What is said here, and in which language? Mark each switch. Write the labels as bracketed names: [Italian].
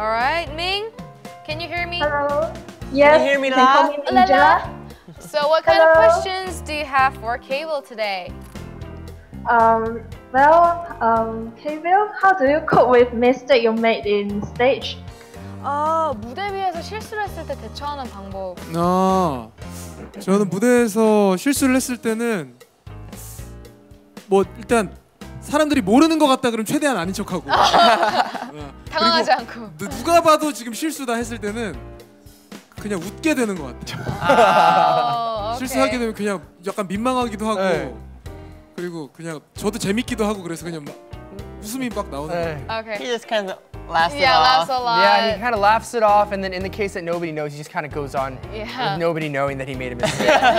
[English] Alright, Ming, can you hear me? Hello? Yes, can you hear me, you can la? Call me so, what kind hello. Of questions do you have for K.Will today? K.Will, how do you cope with mistakes you made in stage? [Korean] 아, 무대 위에서 실수를 했을 때 대처하는 방법. 아, 저는 무대에서 실수를 했을 때는 뭐 일단 사람들이 모르는 것 같다 그러면 최대한 아닌 척하고 당황하지 않고 누가 봐도 지금 실수다 했을 때는 그냥 웃게 되는 것 같아요. 실수하게 되면 그냥 약간 민망하기도 하고 네. 그리고 그냥 저도 재밌기도 하고 그래서 그냥 막 웃음이 막 나오는 거예요. [English] Okay. He just kind of laughs it yeah, off. Yeah, laughs a lot. Yeah, he kind of laughs it off, and then in the case that nobody knows, he just kind of goes on yeah. with nobody knowing that he made a mistake.